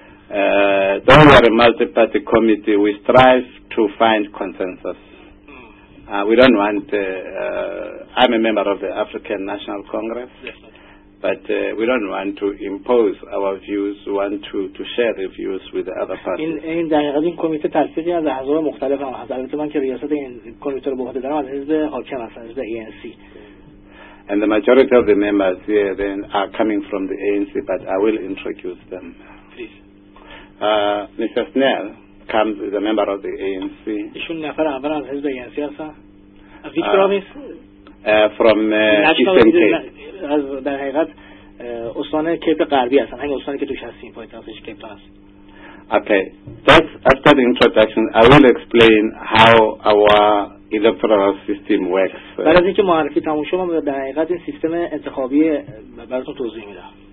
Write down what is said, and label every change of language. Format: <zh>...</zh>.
<en>Though we are a multi-party committee, we strive to find consensus. We don't want. I'm a member of the African National Congress. Yes. But we don't want to impose our views. We want to share the views with the other parties.</en> <fa>In دقیقاً این کمیته تلفیقی از احزاب مختلف هم هست. البته من که ریاست این کمیته رو به عهده دارم از حزب حاکم هستم، از ANC.</fa> <en>And the majority of the members here then are coming from the ANC, but I will introduce them. Please. Mr. Snell comes as a member of the ANC.</en> <fa>ایشون نفر اول از حزب ANC هستن.</fa> <en>Which province? From Eastern Cape.</en> <fa>از در حقیقت استان کیپ غربی هستن، همین استانی که توش هستیم، پایتختش کیپ هست.</fa> <en>Okay, that's after the introduction. I will explain how our electoral system works.</en> <fa>بعد از اینکه معرفی تموم شد، من در حقیقت این سیستم انتخابی براتون توضیح میدم.</fa>